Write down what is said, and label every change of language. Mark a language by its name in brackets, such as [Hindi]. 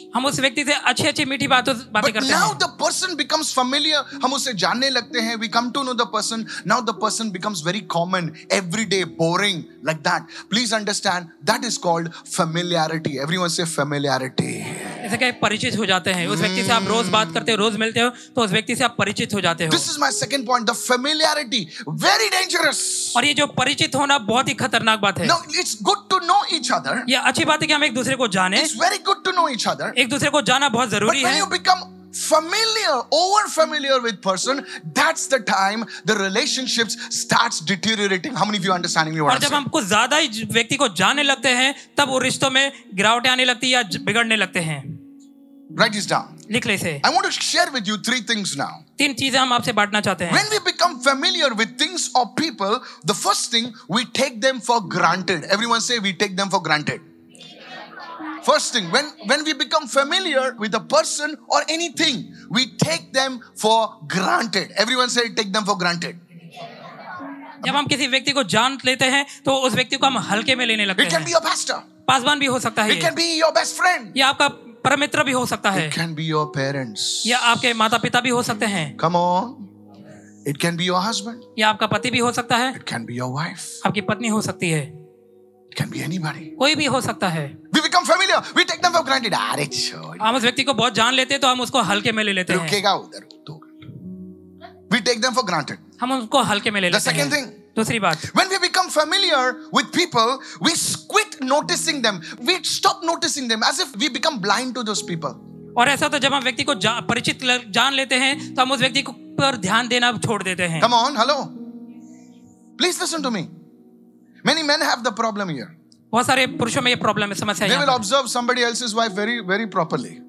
[Hindi] हम उस व्यक्ति से अच्छी-अच्छी मीठी बातें करते हैं. [English] But now the person becomes familiar. [Hindi] हम उसे जानने लगते हैं. [English] We come to know the person. Now the person becomes very common, everyday, boring, like that. Please understand, that is called familiarity. Everyone say familiarity. [Hindi] ऐसे कहे परिचित हो जाते हैं. उस व्यक्ति से आप रोज बात करते हो, रोज मिलते हो, तो उस व्यक्ति से आप परिचित हो जाते हो. [English] This is my second point, the familiarity. Very dangerous. [Hindi] और ये जो परिचित होना बहुत ही खतरनाक बात है. [English] Now it's good to know each other. [Hindi] ये अच्छी बात है कि हम एक दूसरे को जाने. [English] It's very good to know each other. [Hindi] एक दूसरे को जाना बहुत जरूरी [English] है. But when you become familiar, over familiar with person, that's the time the relationships starts deteriorating. How many of you understanding me? [Hindi] और जब हम कुछ ज़्यादा ही व्यक्ति को जाने लगते हैं, तब वो रिश्तों में गिरावटें आने लगती या बिगड़ने लगते हैं. [English] Write this down. [Hindi] लिख ले इसे. [English] I want to share with you three things now. [Hindi] तीन चीजें हम आपसे बांटना चाहते हैं. [English] When we become familiar with things or people, the first thing we take them for granted. Everyone say we take them for granted. First thing, when we become familiar with a person or anything, we take them for granted. Everyone say, take them for granted. [Hindi] जब हम किसी व्यक्ति को जान लेते हैं, तो उस व्यक्ति को हम हल्के में लेने लगते हैं. [English] It can be your pastor. [Hindi] Paswan भी हो सकता है. [English] It can be your best friend. [Hindi] ये आपका परम मित्र भी हो सकता है. [English] It can be your parents. [Hindi] ये आपके माता-पिता भी हो सकते हैं. [English] Come on. It can be your husband. [Hindi] या आपका पति भी हो सकता है. [English] It can be your wife. [Hindi] आपकी पत्नी हो सकती है. [English] It can be anybody. [Hindi] कोई भी हो सकता है. [English] We become familiar. We take them for granted. [Hindi] अरे छोड़. हम उस व्यक्ति को बहुत जान लेते हैं तो हम उसको हल्के में ले लेते हैं. रुकेगा उधर. [English] We take them for granted. [Hindi] हम उसको हल्के में ले लेते हैं. [English] The second thing. [Hindi] दूसरी बात. [English] When we become familiar with people, we quit noticing them. We stop noticing them as if we become blind to those people. [Hindi] और ऐसा तो जब हम व्यक्ति को परिचित जान लेते हैं तो हम उस व्यक्ति को पर ध्यान देना छोड़ देते हैं. [English] Come on, hello. Please listen to me. Many men have the problem here. [Hindi] बहुत सारे पुरुषों में ये प्रॉब्लम है, समस्या है. [English] They will observe somebody else's wife very, very properly.